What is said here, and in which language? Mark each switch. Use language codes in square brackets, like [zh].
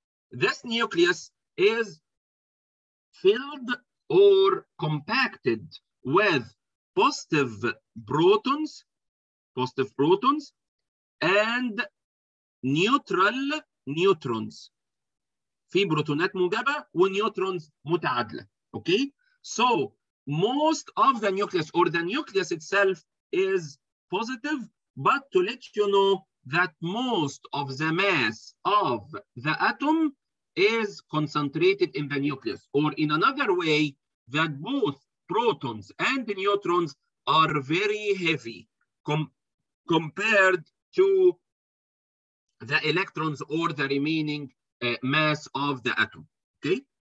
[en] This nucleus is filled or compacted with positive protons, and neutral neutrons. [ar] في بروتونات موجبة ونيوترونز متعادلة. [en] Okay? So most of the nucleus or the nucleus itself is positive, but to let you know that most of the mass of the atom is concentrated in the nucleus. Or in another way, that both protons and neutrons are very heavy compared to the electrons or the remaining mass of the atom, okay?